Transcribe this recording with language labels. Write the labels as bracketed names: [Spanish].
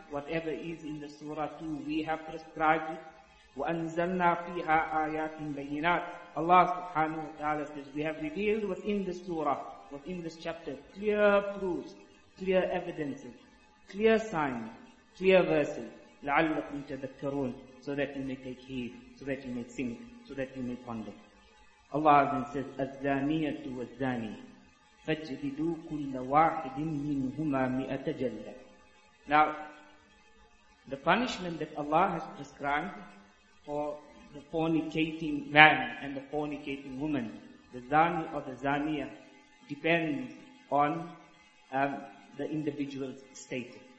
[English] Whatever is in the surah too, we have prescribed it. [Arabic] وَأَنزَلْنَا فِيهَا آيَاتٍ بَيِّنَاتٍ, [English] Allah subhanahu wa ta'ala says, we have revealed within the surah, within this chapter, clear proofs, clear evidences, clear signs, clear verses, [Arabic] لَعَلَّكُمْ تَذَكَّرُونَ, [English] so that you may take heed, so that you may think, so that you may ponder. Allah then says, [Arabic] الزَّانِيَةُ وَالزَّانِي فَجْدِدُوا كُلَّ وَاحِدٍ مِّنْهُمَا مِئَةَ جَلَّةٍ. [English] Now, the punishment that Allah has prescribed for the fornicating man and the fornicating woman, the zani or the zaniya, depends on the individual's status.